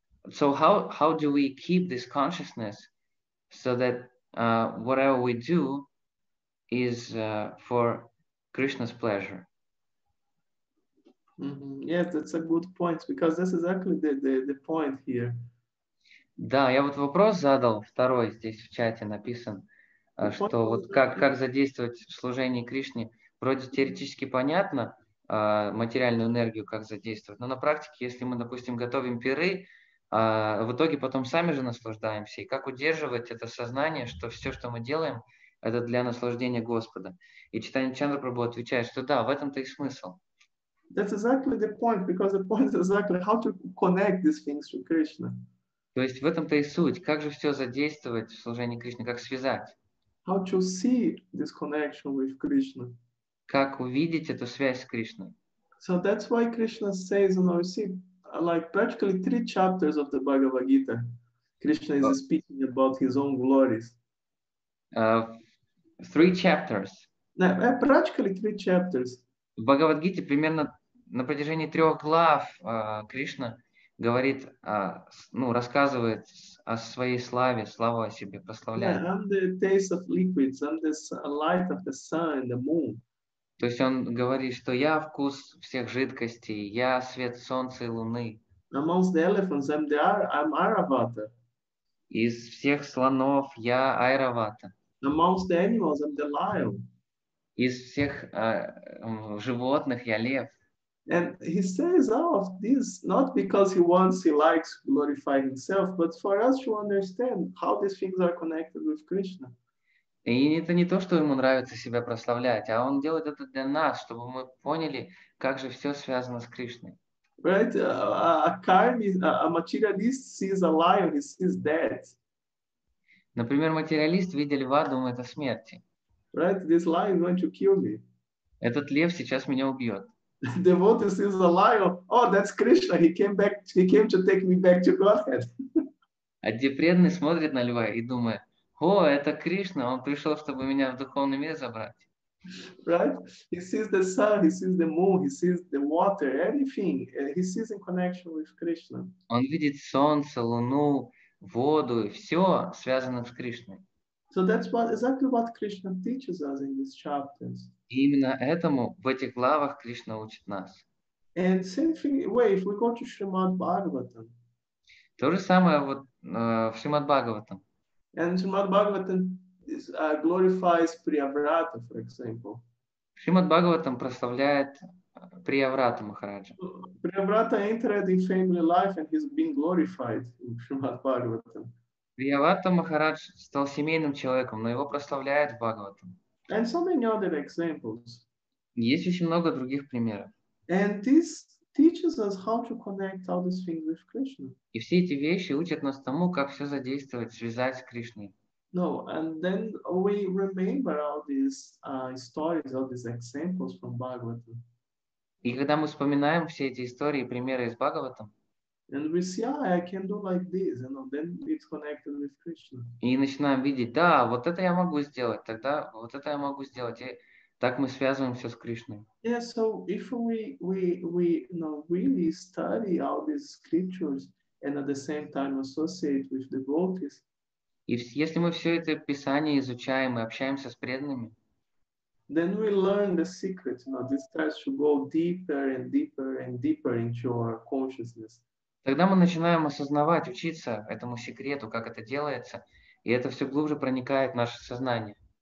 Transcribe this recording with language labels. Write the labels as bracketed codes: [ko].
[en] So how do we keep this consciousness so that whatever we do is for Krishna's pleasure? Mm-hmm. Yes, that's a good point, because that's exactly the point here. [ru] Да, я вот вопрос задал, второй здесь в чате написан, что вот как задействовать в служении Кришне. Вроде теоретически понятно материальную энергию, как задействовать, но на практике, если мы, допустим, готовим пиры, в итоге потом сами же наслаждаемся, и как удерживать это сознание, что все, что мы делаем, это для наслаждения Господа. И Чайтанья Чандрапрабху отвечает, что да, в этом-то и смысл. [en] That's exactly the point, because the point is exactly how to connect these things to Krishna. [ru] То есть в этом-то и суть. Как же все задействовать в служении Кришне? Как связать? [en] How to see this connection with Krishna? [ru] Как увидеть эту связь с Кришной? [en] So that's why Krishna says, you know, you see, like practically three chapters of the Bhagavad Gita, Krishna is speaking about his own glories. Three chapters. No, practically three chapters. [ru] В Бхагавад Гите примерно на протяжении трех глав Кришна говорит, ну, рассказывает о своей славе, славу о себе, прославляет. [en] Yeah, I'm the taste of liquids, I'm the light of the sun and the moon. [ru] То есть он говорит, что я вкус всех жидкостей, я свет солнца и луны. [en] Amongst the elephants, I'm Aravata. [ru] Из всех слонов я Айравата. [en] Amongst the animals, I'm the lion. [ru] Из всех животных я лев. [en] And he says all of this not because he likes to glorify himself, but for us to understand how these things are connected with Krishna. [ru] И это не то, что ему нравится себя прославлять, а он делает это для нас, чтобы мы поняли, как же все связано с Кришной. [en] Right, a materialist sees a lion, he sees death. [ru] Например, материалист видит льва, думает о смерти. [en] Right, this lion is going to kill me. [ru] Этот лев сейчас меня убьет. [en] Devotee sees a lion. Oh, that's Krishna. He came to take me back to Godhead. [ru] А преданный смотрит на льва и думает: О, это Кришна, он пришел, чтобы меня в духовный мир забрать. Right? [en] He sees the sun, he sees the moon, he sees the water, anything. He sees in connection with Krishna. [ru] Он видит солнце, луну, воду, все связано с Кришной. [en] So that's exactly what Krishna teaches us in these chapters. [ru] И именно этому в этих главах Кришна учит нас. [en] And same thing, if we go to Srimad Bhagavatam. [ru] То же самое вот в Srimad Bhagavatam. [en] And Srimad Bhagavatam glorifies Priyavrata, for example. [ru] Srimad Bhagavatam прославляет Priyavrata Maharaja. [en] Priyavrata entered in family life and he's been glorified in Srimad Bhagavatam. [ru] Priyavrata Maharaj стал семейным человеком, но его прославляют в Бхагаватам. [en] And so many other examples. [ru] Есть очень много других примеров. [en] And this teaches us how to connect all these things with Krishna. [ru] И все эти вещи учат нас тому, как все задействовать, связать с Кришной. [en] No, and then we remember all these stories, all these examples from Bhagavatam. [ru] И когда мы вспоминаем все эти истории, примеры из Бхагаватам, [en] and we see, I can do like this, you know, then it's connected with Krishna. [ru] И начинаем видеть, да, вот это я могу сделать, тогда вот это я могу сделать, и так мы связываемся с Кришной. [en] Yeah, so if we you know, really study all these scriptures and at the same time associate with devotees. [ru] И если мы все это писание изучаем и общаемся с преданными, [en] then we learn the secret, you know, this starts to go deeper and deeper and deeper into our consciousness. [ru] Тогда мы начинаем осознавать, учиться этому секрету, как это делается, и это все глубже проникает в наше сознание.